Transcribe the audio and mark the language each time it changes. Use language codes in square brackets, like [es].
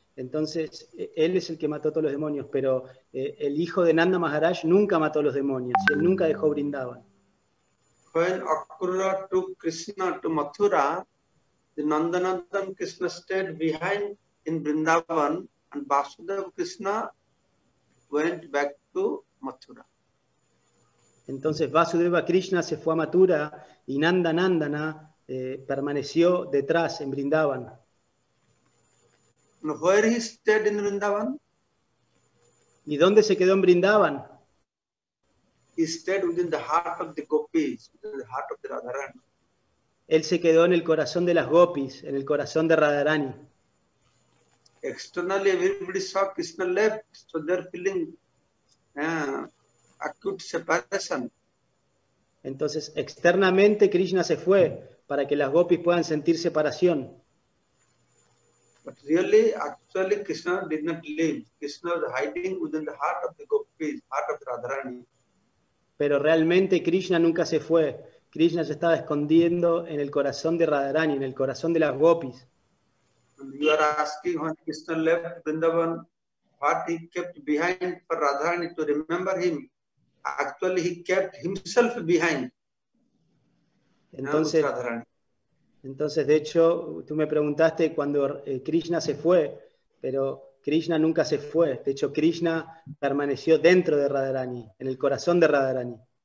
[es] Entonces, él es el que mató todos los demonios, pero el hijo de Nanda Maharaj nunca mató a los demonios, él nunca dejó Vrindavan. [en] When Akura took Krishna to Mathura, the Nandanandan Krishna stayed behind in Vrindavan and Vasudeva Krishna went back to Mathura. [es] Entonces, Vasudeva Krishna se fue a Mathura y Nandanandana permaneció detrás en Vrindavan. [en] Where he stayed in Vrindavan? [es] ¿Y dónde se quedó en Vrindavan? [en] He stayed within the heart of the gopis, within the heart of the Radharani. [es] Él se quedó en el corazón de las gopis, en el corazón de Radharani. [en] Externally, everybody saw Krishna left, so they're feeling acute separation. [es] Entonces, externamente Krishna se fue para que las gopis puedan sentir separación. [en] But really, actually, Krishna did not leave. Krishna was hiding within the heart of the gopis, heart of Radharani. [es] Pero realmente Krishna nunca se fue. Krishna se estaba escondiendo en el corazón de Radharani, en el corazón de las gopis. [en] You are asking when Krishna left Vrindavan, what he kept behind for Radharani to remember him. Actually, he kept himself behind. [es] Entonces, de hecho, tú me preguntaste cuando Krishna se fue, pero Krishna nunca se fue. De hecho, Krishna permaneció dentro de Radharani, en el corazón de Radharani.